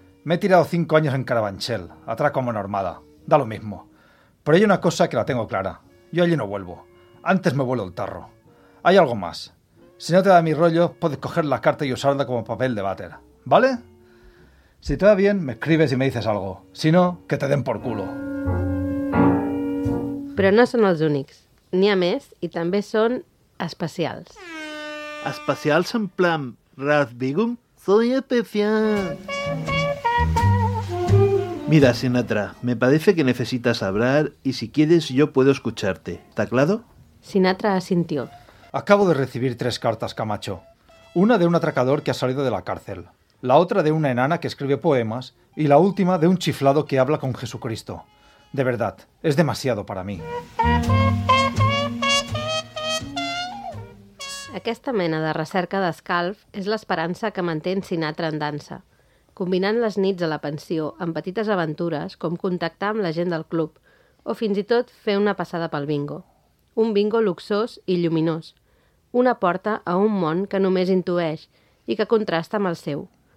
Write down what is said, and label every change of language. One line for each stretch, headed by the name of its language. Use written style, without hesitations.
Spanish: Me he tirado 5 años en Carabanchel, atrás como normada. Da lo mismo. Pero hay una cosa que la tengo clara. Yo allí no vuelvo. Antes me vuelo el tarro. Hay algo más. Si no te da mi rollo, puedes coger la carta y usarla como papel de váter. ¿Vale? Si te va bien, me escribes y me dices algo. Si no, que te den por culo.
Catalan: Però no són els únics. N'hi ha més i també són especials. Especials en plan
Spanish: Razbigum? Soy especial. Mira, Sinatra, me parece que necesitas hablar y si quieres yo puedo escucharte. ¿Está claro? Sinatra asintió. Acabo de recibir 3 cartas, Camacho. Una de un atracador que ha salido de la cárcel. La otra de una enana que escribe poemas y la última de un chiflado que habla con Jesucristo. De verdad, es demasiado para mí.
Catalan: Aquesta mena de recerca d'escalf és l'esperança que manté en Sinatra en dansa, combinant les nits a la pensió amb petites aventures com contactar amb la gent del club o fins i tot fer una passada pel bingo. Un bingo luxós i lluminós. Una porta a un món que només intueix i que contrasta amb el seu.